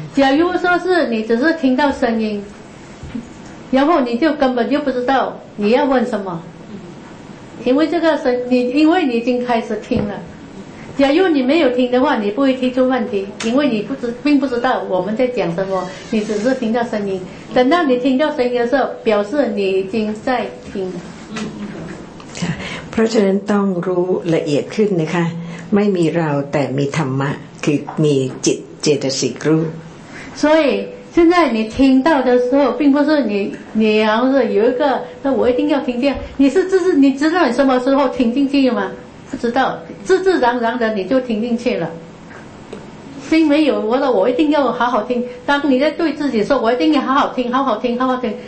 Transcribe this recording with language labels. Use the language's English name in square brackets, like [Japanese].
[Chinese] 假如说是你只是听到声音，然后你就根本就不知道你要问什么，因为这个声，因为你已经开始听了。假如你没有听的话，你不会提出问题，因为你并不知道我们在讲什么，你只是听到声音。等到你听到声音的时候，表示你已经在听了。 [Thai] ค่ะ เพราะฉะนั้นต้องรู้ละเอียดขึ้นนะคะ ไม่มีเราแต่มีธรรมะ คือมีจิตเจตสิกรู้。 [Chinese] 所以现在你听到的时候，并不是你要是有一个，那我一定要听见。你知道你什么时候听进去吗？不知道，自自然然的你就听进去了。心没有，我说我一定要好好听。当你在对自己说，我一定要好好听，好好听，好好听。